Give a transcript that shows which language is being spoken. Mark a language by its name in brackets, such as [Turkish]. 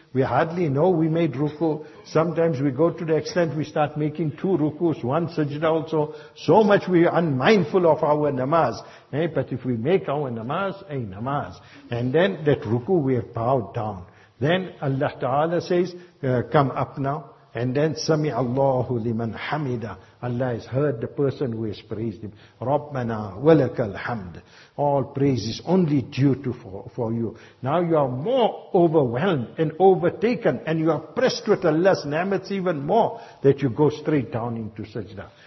[English] We hardly know we made ruku. Sometimes we go to the extent we start making two rukus, one sajda also. So much we are unmindful of our namaz. Eh? But if we make our namaz, a namaz. And then that ruku we have bowed down. Then Allah Ta'ala says, come up now. And then [Arabic] سَمِعَ اللَّهُ لِمَنْ حَمِدَ. [English] Allah has heard the person who has praised Him. [Arabic] رَبَّنَا وَلَكَ الْحَمْدُ. [English] All praises only due to for you. Now you are more overwhelmed and overtaken, and you are pressed with Allah's ni'mats even more, that you go straight down into sajda.